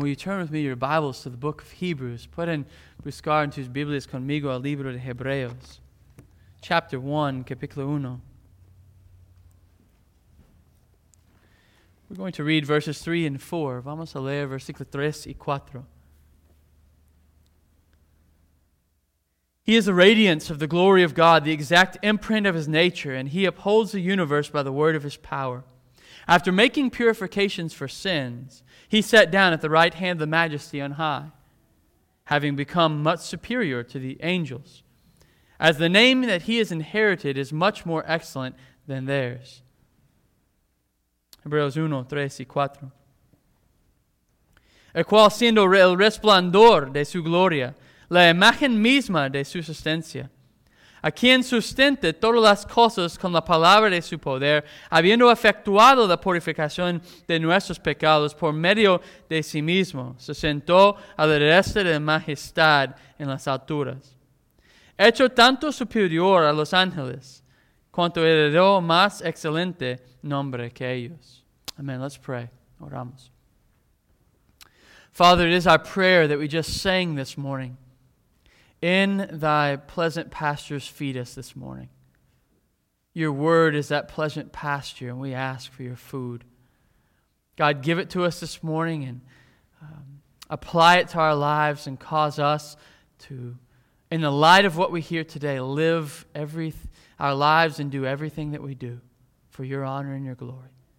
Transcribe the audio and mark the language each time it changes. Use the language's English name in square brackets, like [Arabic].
[English] Will you turn with me your Bibles to the book of Hebrews? [Spanish] Pueden buscar en tus Biblias conmigo al libro de Hebreos, [English] chapter 1, [Spanish] capítulo 1. [English] We're going to read verses 3 and 4. [Spanish] Vamos a leer versículos 3 y 4. [English] He is the radiance of the glory of God, the exact imprint of His nature, and He upholds the universe by the word of His power. After making purifications for sins, He sat down at the right hand of the Majesty on high, having become much superior to the angels, as the name that He has inherited is much more excellent than theirs. [Spanish] Hebreos 1, 3 y 4. El cual siendo el resplandor de su gloria, la imagen misma de su sustancia, a quien sustente todas las cosas con la palabra de su poder, habiendo efectuado la purificación de nuestros pecados por medio de sí mismo, se sentó a la derecha de majestad en las alturas. Hecho tanto superior a los ángeles, cuanto heredó más excelente nombre que ellos. [English] Amen. Let's pray. [Spanish] Oramos. [English] Father, it is our prayer that we just sang this morning. In thy pleasant pastures feed us this morning. Your word is that pleasant pasture, and we ask for your food. God, give it to us this morning and apply it to our lives and cause us to, in the light of what we hear today, live our lives and do everything that we do for your honor and your glory.